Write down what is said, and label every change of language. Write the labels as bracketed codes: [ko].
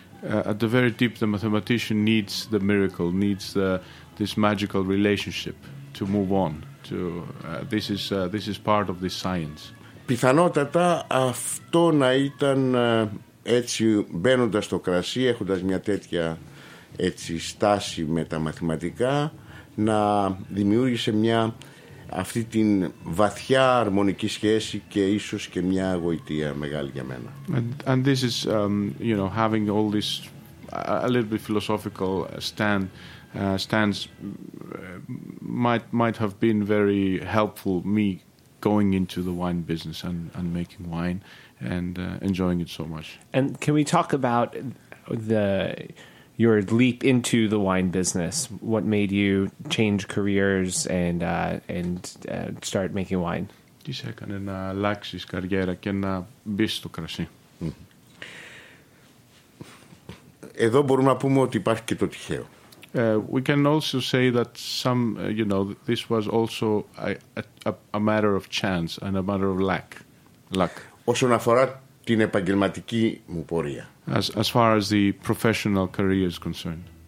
[en] At the very deep, the mathematician needs the miracle, needs this magical relationship to move on. This is part of this science. [el] Πιθανότατα αυτό να ήταν έτσι μπαίνοντας στο κρασί, έχοντας μια τέτοια έτσι στάση με τα μαθηματικά, να δημιούργησε μια αυτή την βαθιά αρμονική σχέση και ίσως και μια γοητεία μεγάλη για μένα. [en] And this is, you know, having all this a little bit philosophical stance might have been very helpful me going into the wine business and making wine and enjoying it so much. And can we talk about the your leap into the wine business? What made you change careers and start making wine? [el] Τι σε έκανε να αλλάξεις καριέρα και να μπεις στο κρασί? Εδώ μπορούμε να πούμε ότι υπάρχει και το τυχαίο. [en] We can also say that some, you know, this was also a matter of chance and a matter of luck. [el] Όσον αφορά την επαγγελματική μου πορεία. [en] As far as the professional career is concerned.